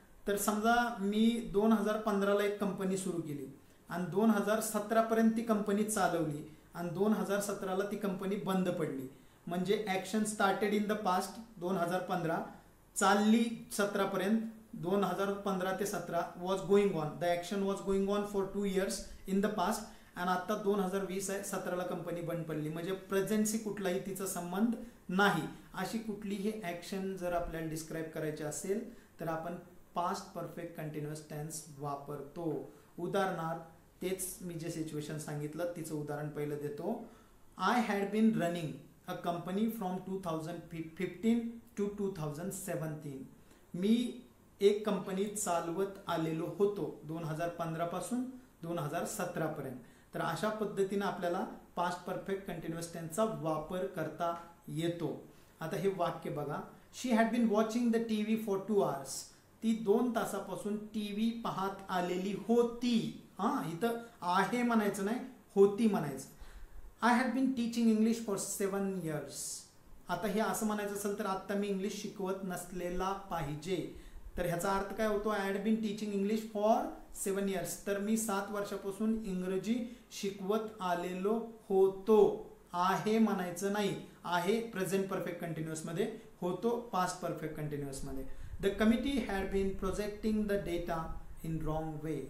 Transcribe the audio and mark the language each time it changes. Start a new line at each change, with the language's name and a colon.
Marathi: तर समजा मी 2015 एक कंपनी सुरू केली आणि 2017 ती कंपनी चालवली आणि 2017 ती कंपनी बंद पडली, म्हणजे
English: action started in the past
Marathi: 2015 चालली 2017,
English: 2015-17 was going on, the action was going on for 2 years in the past and
Marathi: आता 2020 कंपनी बंद पडली, म्हणजे प्रेझेंटशी कुठलाही तिचा संबंध नाही. अशी कुठलीही ॲक्शन जर आपल्याला डिस्क्राईब करायची असेल तर आपण पास्ट परफेक्ट कंटिन्युअस टेन्स वापरतो. उदाहरणार्थ तेच मी जे सिच्युएशन सांगितलं तिचं उदाहरण पहिलं देतो.
English: I had been running a company from 2015-2017.
Marathi: मी एक कंपनी चालवत आलेलो होतो 2015 2017. तर अशा पद्धतीनं आपल्याला पास्ट परफेक्ट कंटिन्युअस टेन्सचा वापर करता येतो. आता हे वाक्य बघा.
English: She had been watching the TV for 2 hours.
Marathi: ती 2 तासापासून टीव्ही पाहत आलेली होती. हां, इथं आहे म्हणायचं नाही, होती म्हणायचं.
English: I had been teaching English for 7 years.
Marathi: आता हे असं म्हणायचं असेल तर आत्ता मी इंग्लिश शिकवत नसलेला पाहिजे. तर ह्याचा अर्थ काय होतो?
English: I had been teaching English for 7 years.
Marathi: तर मी 7 वर्षापासून इंग्रजी शिकवत आलेलो होतो. आहे म्हणायचं नाही, आहे प्रेझेंट परफेक्ट कंटिन्युअसमध्ये, होतो past perfect कंटिन्युअसमध्ये.
English: The committee had been projecting the data in wrong way.